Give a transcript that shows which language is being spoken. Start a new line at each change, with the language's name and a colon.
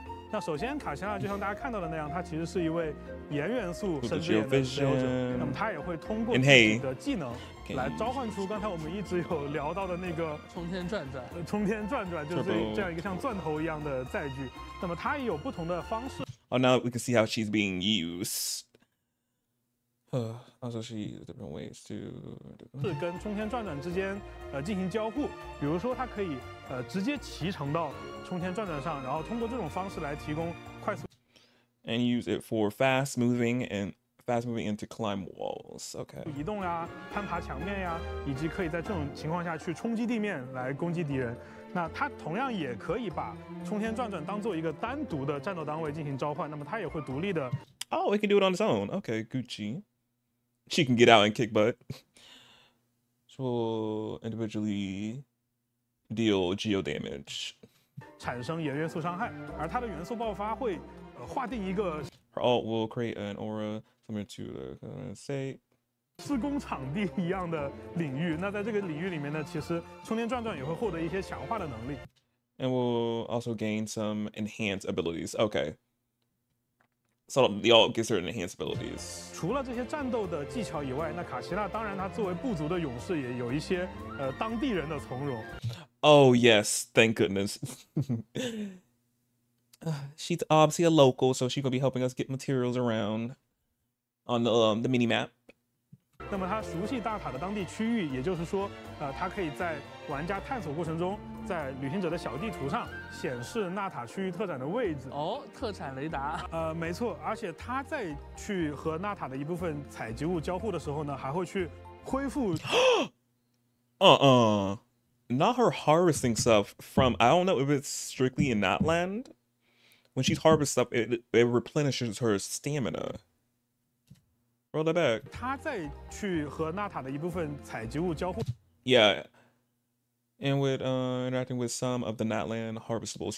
Chinese: 那首先卡西亚就像大家看到的那样，他其实是一位岩元素深之眼的使用者，那么他也会通过自己的技能来召唤出刚才我们一直有聊到的那个冲天转转、冲天转转，就是这样一个像钻头一样的载具，那么他也有不同的方式。
English: Oh, now we can see how she's being used. Also, she uses different ways to
Chinese: 是跟冲天转转之间进行交互，比如说他可以直接骑乘到冲天转转上，然后通过这种方式来提供快速。
English: And use it for fast moving and to climb walls. Okay.
Chinese: 移动呀，攀爬墙面呀，以及可以在这种情况下去冲击地面来攻击敌人。那它同样也可以把冲天转转当做一个单独的战斗单位进行召唤，那么它也会独立的。
English: Oh, it can do it on its own. Okay, Gucci. She can get out and kick butt. So individually. Deal geo damage.
Chinese: 产生岩元素伤害，而它的元素爆发会划定一个。
English: Her ult will create an aura similar to the say.
Chinese: 施工场地一样的领域，那在这个领域里面呢，其实冲天转转也会获得一些强化的能力。
English: And will also gain some enhanced abilities. Okay. So the ult gives her enhanced abilities.
Chinese: 除了这些战斗的技巧以外，那卡奇娜当然她作为部族的勇士，也有一些当地人的从容。
English: Oh, yes, thank goodness. She's obviously a local, so she's going to be helping us get materials around on the mini map.
Chinese: 那么她熟悉大塔的当地区域，也就是说她可以在玩家探索过程中，在旅行者的小地图上显示纳塔区域特产的位置。哦，特产雷达。没错，而且她在去和纳塔的一部分采集物交互的时候呢，还会去恢复。
English: Not her harvesting stuff from, I don't know if it's strictly in that land. When she's harvesting stuff, it replenishes her stamina. Roll that back.
Chinese: 她在去和纳塔的一部分采集物交互。
English: Yeah. And with interacting with some of the Natland harvestables.